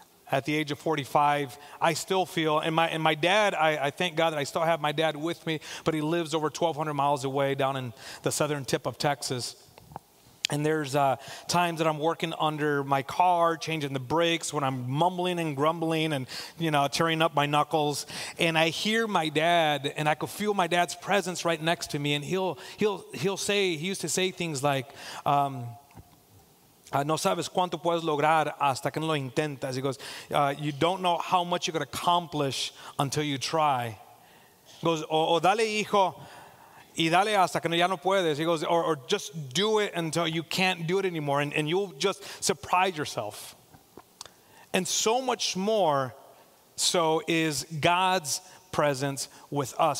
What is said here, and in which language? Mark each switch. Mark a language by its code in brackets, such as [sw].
[en] At the age of 45, I still feel, and my dad, I thank God that I still have my dad with me, but he lives over 1,200 miles away down in the southern tip of Texas. And there's times that I'm working under my car, changing the brakes, when I'm mumbling and grumbling and, you know, tearing up my knuckles. And I hear my dad, and I could feel my dad's presence right next to me. And he used to say things like, [es] no sabes cuánto puedes lograr hasta que lo intentas. [en] He goes, you don't know how much you could accomplish until you try. He goes, [es] o dale hijo y dale hasta que ya no puedes. [en] He goes, or just do it until you can't do it anymore, and you'll just surprise yourself. And so much more so is God's presence with us.